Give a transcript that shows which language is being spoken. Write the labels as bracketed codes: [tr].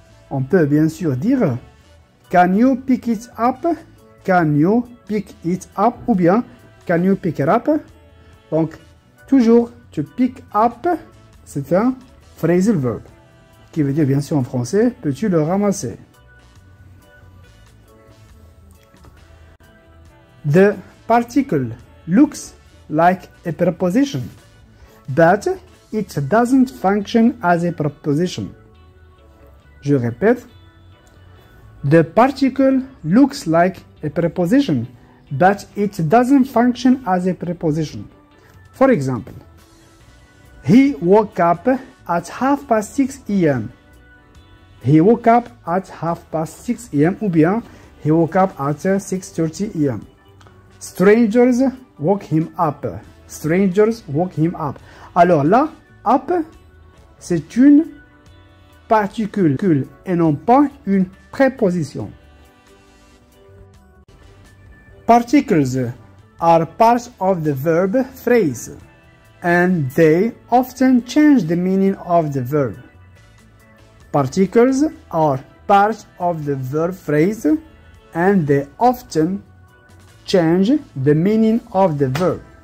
[fr] On peut bien sûr dire, [en] can you pick it up? Can you pick it up? [fr] Ou bien, [en] can you pick it up? [fr] Donc, toujours, [en] to pick up, [fr] c'est un phrasal verb. Qui veut dire bien sûr en français, peux-tu le ramasser? [en] The particle looks like a preposition, but it doesn't function as a preposition. [fr] Je répète. [en] The particle looks like a preposition, but it doesn't function as a preposition. For example, he woke up at 6:30 a.m. He woke up at 6:30 a.m. [fr] ou bien [en] he woke up at 6:30 a.m. Strangers woke him up. Strangers woke him up. [fr] Alors là, up, c'est une particule et non pas une préposition. [en] Particles are part of the verb phrase and they often change the meaning of the verb. Particles are part of the verb phrase and they often change the meaning of the verb.